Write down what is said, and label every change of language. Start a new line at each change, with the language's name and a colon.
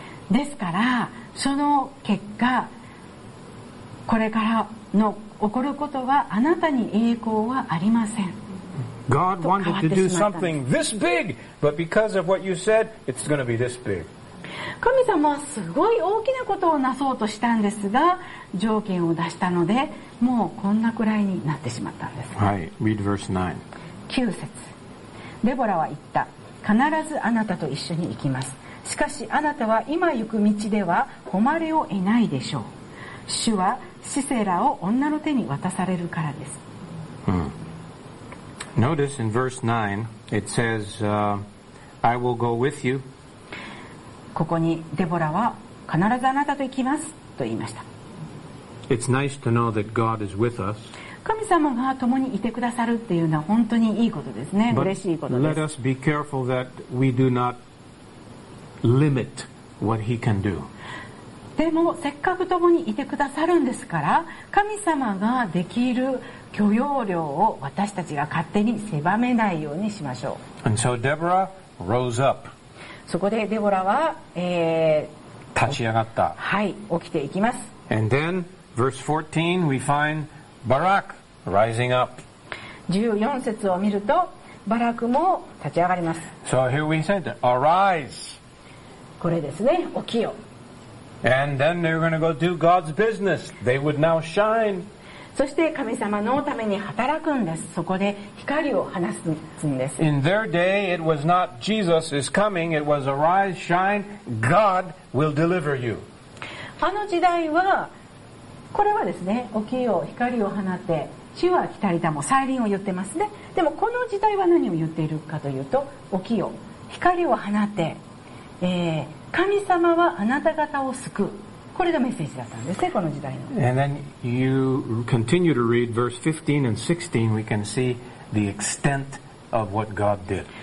Japanese: ですから、その結果、これからの起こることはあなたに栄光はありません。
English: God wanted to do something this big, but because of what you said, it's going to be this big.
Japanese: 神様はすごい大きなことをなそうとしたんですが、条件を出したので、もうこんなくらいになってしまったんです。
English: はい、read verse
Japanese: 9. 9節。デボラは言った。必ずあなたと一緒に行きます。しかしあなたは今行く道では誉れを得ないでしょう。主はシセラを女の手に渡されるからです。
English: Notice in verse 9, it says, I will go with you.
Japanese: ここにデボラは必ずあなたと行きますと言いました。
English: It's nice to know that God is with us.
Japanese: 神様が共にいてくださるっていうのは本当にいいことですね。嬉しいことです。
English: But let us be careful that we do not limit what he can do.
Japanese: でもせっかく共にいてくださるんですから、神様ができる許容量を私たちが勝手に狭めないようにしましょう。
English: And so Deborah rose up.
Japanese: そこでデボラは、立ち上がった。はい、起きていきます。
English: And then verse 14 we find Barak rising up.
Japanese: 14節を見るとバラクも立ち上がります。
English: So here we said arise.
Japanese: これですね、起きよ。
English: And then they're going to go do God's business. They would now shine.
Japanese: そして神様のために働くんです。そこで光を放すんです。
English: In their day, it was not Jesus is coming. It was arise, shine. God will deliver you.
Japanese: あの時代は、これはですね、起きよう、光を放って、主は来たりだも、再臨を言ってますね。でもこの時代は何を言っているかというと、起きよう、光を放って、神様はあなた方を救う。これがメッセージだったんですね、この時代の。
English: And then you continue to read verse 15 and 16, we can see the extent of what God did.